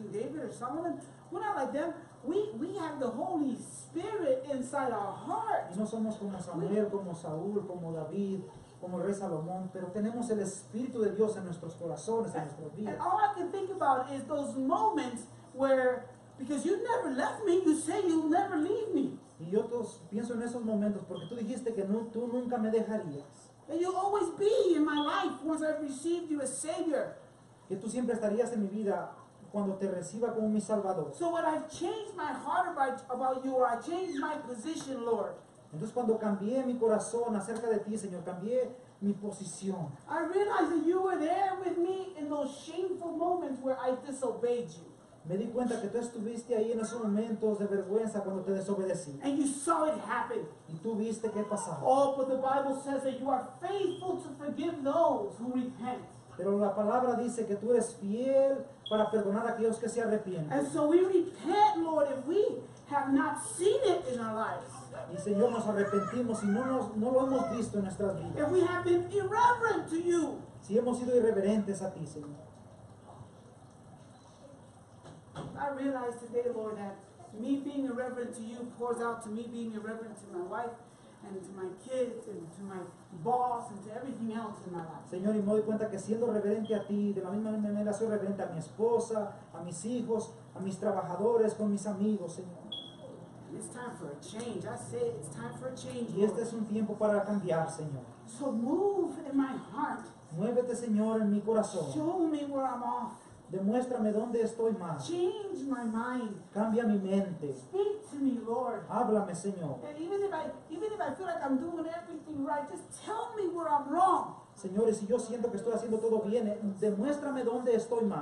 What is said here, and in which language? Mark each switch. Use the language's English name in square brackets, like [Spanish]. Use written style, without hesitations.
[English] We're not like Samuel, and we're not like Saul, like King David, or some of them. We have the Holy Spirit inside our heart. [Spanish] No somos como Samuel, como Saúl, como David, como el rey Salomón, pero tenemos el Espíritu de Dios en nuestros corazones, en nuestros vidas. [English] And all I can think about is those moments where, because you never left me, you say you'll never leave me. [Spanish] Y yo todos pienso en esos momentos porque tú dijiste que no, tú nunca me dejarías. [English] And you'll always be in my life once I've received you as Savior. [Spanish] Que tú siempre estarías en mi vida cuando te reciba como mi Salvador. [English] So what I've changed my heart about you, or I changed my position, Lord. [Spanish] Entonces cuando cambié mi corazón acerca de ti, Señor, cambié mi posición. [English] I realized that you were there with me in those shameful moments where I disobeyed you. [Spanish] Me di cuenta que tú estuviste ahí en esos momentos de vergüenza cuando te desobedecí. [English] And you saw it happen. [Spanish] Y tú viste qué pasaba. [English] Oh, but the Bible says that you are faithful to forgive those who repent. [Spanish] Pero la palabra dice que tú eres fiel para perdonar a aquellos que se arrepienten. [English] And so we repent, Lord, if we have not seen it in our lives. [Spanish] Y Señor, nos arrepentimos y no lo hemos visto en nuestras vidas. [English] If we have been irreverent to you. [Spanish] Si hemos sido irreverentes a ti, Señor. [English] I realize today, Lord, that me being irreverent to you pours out to me being irreverent to my wife. And to my kids, and to my boss, and to everything else in my life. [Spanish] Señor, y me doy cuenta que siendo reverente a ti, de la misma manera soy reverente a mi esposa, a mis hijos, a mis trabajadores, con mis amigos, Señor. [English] And it's time for a change. I say it's time for a change. [Spanish] Y este es un tiempo para cambiar, Señor. [English] So move in my heart. [Spanish] Muévete, Señor, en mi corazón. [English] Show me where I'm off. [Spanish] Demuéstrame dónde estoy mal. [English] Change my mind. [Spanish] Cambia mi mente. [English] Speak to me, Lord. [Spanish] Háblame, Señor. [English] Even if I feel like I'm doing everything right, just tell me where I'm wrong. [Spanish] Señores, si yo siento que estoy haciendo todo bien, demuéstrame dónde estoy mal.